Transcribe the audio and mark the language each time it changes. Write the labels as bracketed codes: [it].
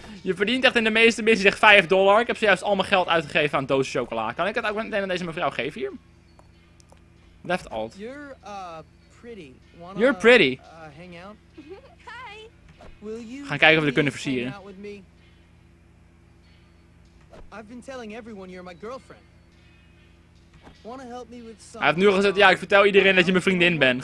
[nl] Je verdient echt in de meeste missies echt $5. Ik heb zojuist al mijn geld uitgegeven aan doos chocola. Kan ik het ook meteen aan deze mevrouw geven hier? [en] Left alt. You're pretty. Hang out? Hi. Will you [nl] gaan kijken of we er kunnen versieren. [en] I've been telling everyone you're my girlfriend. [nl] Hij heeft nu al gezegd, ja, ik vertel iedereen dat je mijn vriendin bent.